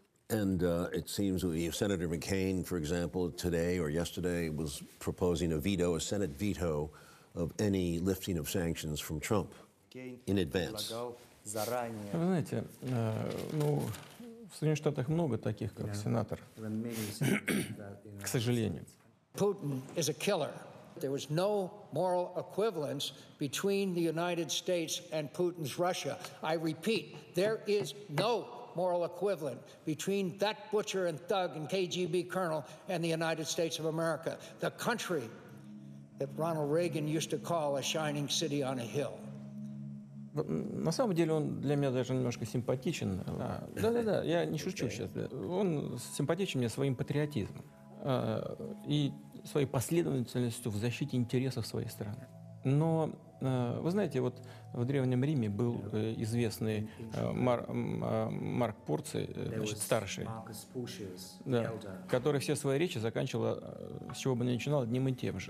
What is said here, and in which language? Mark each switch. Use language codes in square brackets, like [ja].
[en] And it seems Senator McCain, for example, today or yesterday was proposing a veto, a Senate veto of any lifting of sanctions from Trump in advance. [ru] Вы знаете, ну, в Соединенных Штатах много таких, как сенатор, к сожалению. [en] Putin is a killer. There was no moral equivalence between the United States and Putin's Russia. I repeat, there is no moral equivalent between that butcher and thug and KGB colonel and the United States of America, the country that Ronald Reagan used to call a shining city on a hill. [ru] На самом деле он для меня даже немножко симпатичен. Да-да-да, я не шучу сейчас. Он симпатичен мне своим патриотизмом и своей последовательностью в защите интересов своей страны. Но вы знаете, вот в Древнем Риме был известный Марк Порций, значит, старший, да, который все свои речи заканчивал, с чего бы ни начинал, одним и тем же.